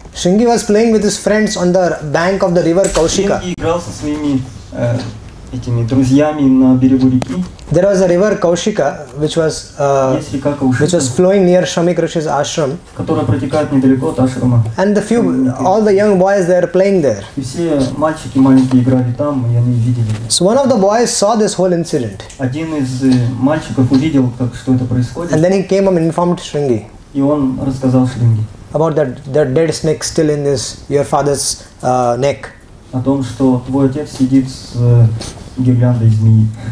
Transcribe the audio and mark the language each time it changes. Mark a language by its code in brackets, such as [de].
[en] Shringi was playing with his friends on the bank of the river Kaushika. [ru] Shringi играл со своими этими друзьями на берегу реки. [en] There was a river Kaushika, which was which was flowing near Shamik Rishi's ashram. [ru] Которая протекает недалеко от ашрама. [en] And the few, all the young boys, they are playing there. [ru] И все мальчики маленькие играли там, и они видели. [en] So one of the boys saw this whole incident. [ru] Один из мальчиков увидел, как что это происходит. [en] And then he came and informed Shringi. [ru] И он рассказал Шринги. [en] About that dead snake still in this your father's neck. [ru] О том, что твой отец сидит с гирляндой змеи.